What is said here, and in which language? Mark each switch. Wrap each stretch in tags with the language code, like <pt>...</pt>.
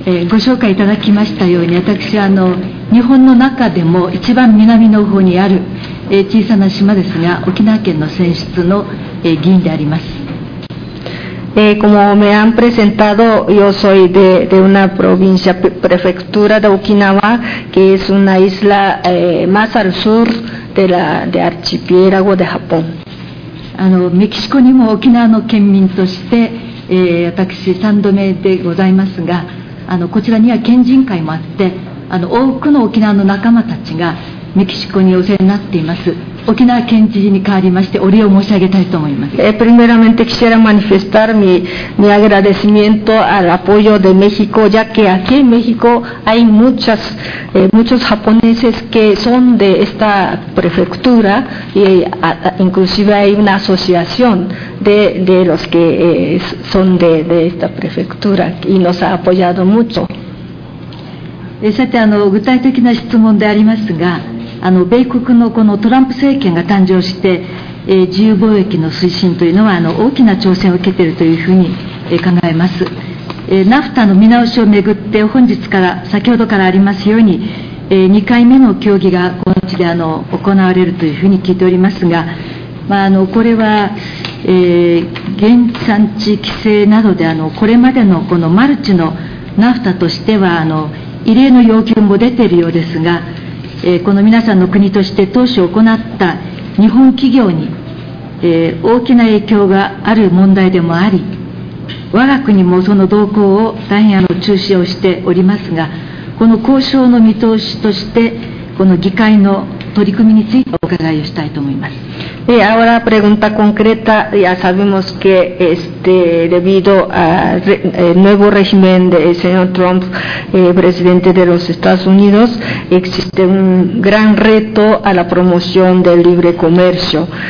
<ja>ご紹介いただきましたように、私は日本の中でも一番南の方にある小さな島ですが、沖縄県の選出の議員であります。</ja> <es>Como me han presentado, yo soy de una provincia, prefectura de Okinawa, que es una isla más al sur de archipiélago de Japón.</es> <ja>メキシコにも沖縄の県民として、私3度目でございますが、こちらには県人会もあって、多くの沖縄の仲間たちがメキシコにお世話になっています。沖縄県知事に代わりましてお礼を申し上げたいと思います。</ja> <es>Primeramente quisiera manifestar mi agradecimiento al apoyo de México, ya que aquí en México hay muchos japoneses que son de esta prefectura, y inclusive hay una asociación de los que son de esta prefectura y nos ha apoyado mucho.</es> <ja>さて、具体的な質問でありますが、米国のこのトランプ政権が誕生して、自由貿易の推進というのは大きな挑戦を受けているというふうに、考えます。 NAFTA の見直しをめぐって、本日から先ほどからありますように、2回目の協議がこの地で行われるというふうに聞いておりますが、これは、原産地規制などでこれまでのこのマルチの NAFTA としては異例の要求も出ているようですが、この皆さんの国として当初行った日本企業に、大きな影響がある問題でもあり、我が国もその動向を大変注視をしておりますが、この交渉の見通しとしてこの議会の取り組みについてお伺いをしたいと思います。</ja> <es>Ahora pregunta concreta, ya sabemos que debido al nuevo régimen del señor Trump, presidente de los Estados Unidos, existe un gran reto a la promoción del libre comercio.</es>